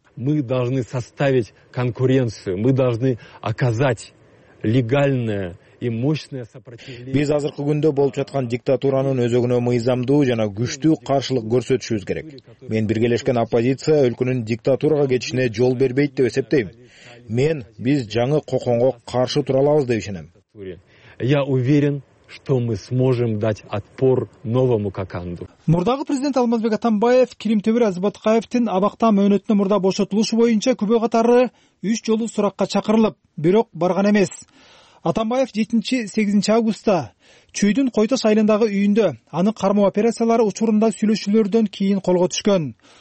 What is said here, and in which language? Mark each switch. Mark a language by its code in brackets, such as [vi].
[ru] Мы должны составить конкуренцию, мы должны оказать легальное и мощное сопротивление. [ky] Биз азыркы күндө болуп жаткан диктатуранын өзөгүнө мыйзамдуу жана күчтүү каршылык көрсөтүшүбүз керек. Мен биргелешкен оппозиция өлкөнүн диктатурага кетишине жол бербейт деп эсептейм. Мен биз жаңы Коконго каршы тура алабыз деп ишенем. [ru] Я уверен, что мы сможем дать отпор новому Коканду. [ky] Мурдагы президент Алмазбек Атамбаев Кирим Төбөр Азыбатыкаевдин абакта мөөнөтүнө мурда бошотулушу боюнча күбө катары 3 жолу суракка чакырылып, бирок барган эмес. Атамбаев 7-8 августта Чүйдүн Койтош айылындагы үйүндө аны кармоо операциялары учурунда сүйлөшүүлөрдөн кийин колго түшкөн.